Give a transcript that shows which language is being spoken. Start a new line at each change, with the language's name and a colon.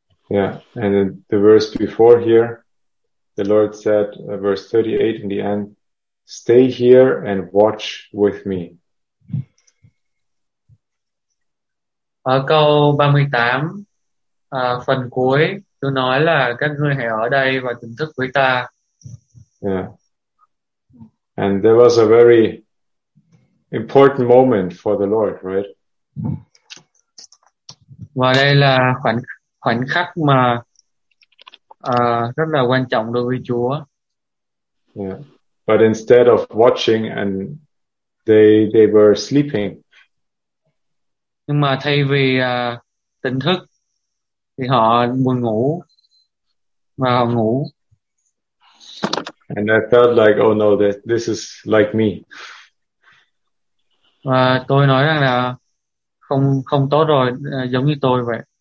English: Yeah, and in the verse before here, the Lord said, verse 38 in the end, stay here and watch with me.
Vietnamese: Ở câu 38, phần cuối, tôi nói là các ngươi hãy ở đây và tỉnh thức với ta.
English: Yeah. And there was a very important moment for the Lord, right?
Vietnamese: Và đây là khoảnh khắc mà rất là quan trọng đối với Chúa.
English: Yeah. But instead of watching and they were sleeping.
Vietnamese: Nhưng mà thay vì tỉnh thức thì họ buồn ngủ và họ ngủ.
English: And I felt like, oh no, this is like me.
Vietnamese: Và tôi nói rằng là không không tốt rồi, giống như tôi vậy.